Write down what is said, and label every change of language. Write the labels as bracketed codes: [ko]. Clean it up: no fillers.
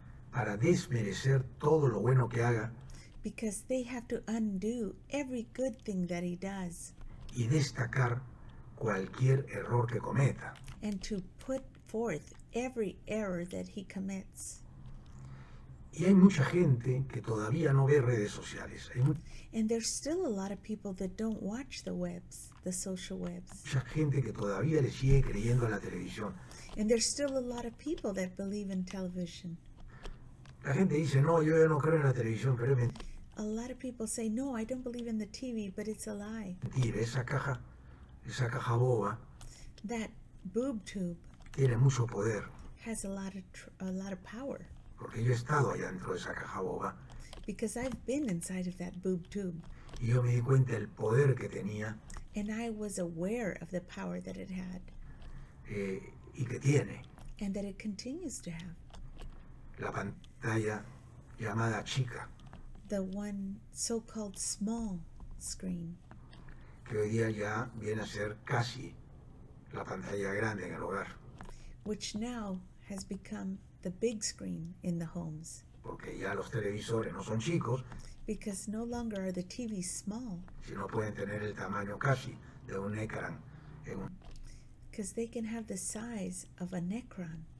[es] para desmerecer todo lo bueno que haga, [en] because they have to undo every good thing that he does, [es] y destacar cualquier error que cometa, [en] and to put forth every error that he commits. [es] Y hay mucha gente que todavía no ve redes sociales. [en] And there's still a lot of people that don't watch the webs, the social webs. [es] Mucha gente que todavía le sigue creyendo a la televisión. [en] And there's still a lot of people that believe in television. [es] La gente dice, no, yo ya no creo en la televisión, pero es mentira. [en] A lot of people say, no, I don't believe in the TV, but it's a lie. [es] Mentira, esa caja boba. [en] That boob tube. [es] Tiene mucho poder. [en] Has a lot of power. [es] Porque yo he estado allá dentro de esa caja boba. [en] Because I've been inside of that boob tube. [es] Y yo me di cuenta del poder que tenía. [en] And I was aware of the power that it had. [es] Y que tiene. [en] And that it continues to have. [es] La pantalla llamada chica. [en] The one so-called small screen. [es] Que hoy día ya viene a ser casi la pantalla grande en el hogar. [en] Which now has become the big screen in the homes. [es] Porque ya los televisores no son chicos. [en] Because no longer are the TVs small. [es] Sino pueden tener el tamaño casi de un ecran. [en] Because they can have the size of an ecran.